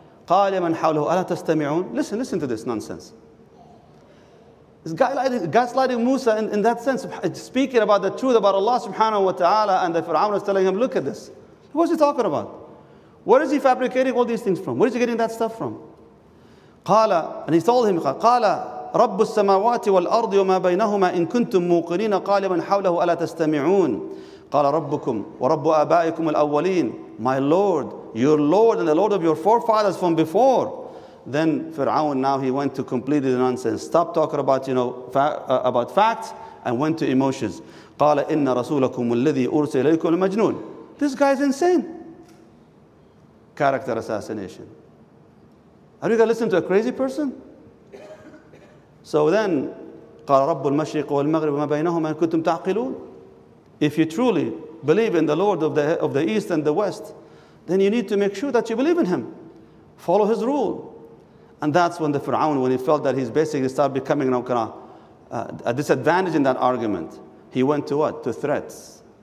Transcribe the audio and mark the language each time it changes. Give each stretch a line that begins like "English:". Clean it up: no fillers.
Arabic: قَالَ مَنْ حَوْلُهُ أَلَا تَسْتَمِعُونَ.
English: Listen to this nonsense. This guy gaslighting Musa in that sense, speaking about the truth about Allah subhanahu wa ta'ala, and the Fir'aun is telling him, look at this. What is he talking about? Where is he fabricating all these things from? Where is he getting that stuff from?
Arabic: قَالَ,
English: and he told him,
Arabic: قَالَ رَبُّ السَّمَاوَاتِ وَالْأَرْضِ وَمَا بَيْنَهُمَا إِن كُنْتُم مُوقِنِينَ. قَالَ مَنْ حَوْلَهُ أَلَا تَسْتَمِعُونَ. قَالَ رَبُّكُمْ وَرَبُّ آبَائِكُمُ الْأَوَّلِينَ.
English: My Lord, your Lord, and the Lord of your forefathers from before. then Fir'aun, now he went to completely the nonsense. Stop talking about, you know, about facts and went to emotions.
Arabic: قَالَ إِنَّ رَسُولَكُمُ الَّذِي أُرْسَلَ إِلَيْكُمْ الْمَجْنُونَ.
English: This guy is insane. Character assassination. Are you going to listen to a crazy person? So then,
Arabic: قَالَ رَبُّ الْمَشْرِقِ وَالْمَغْرِبِ مَا بَيْنَهُمَا إِنْ كُنْتُمْ تَعْقِلُونَ.
English: If you truly believe in the Lord of the East and the West, then you need to make sure that you believe in Him. Follow His rule. And that's when the Fir'aun, when he felt that he's basically started becoming a disadvantage in that argument, he went to what? To threats.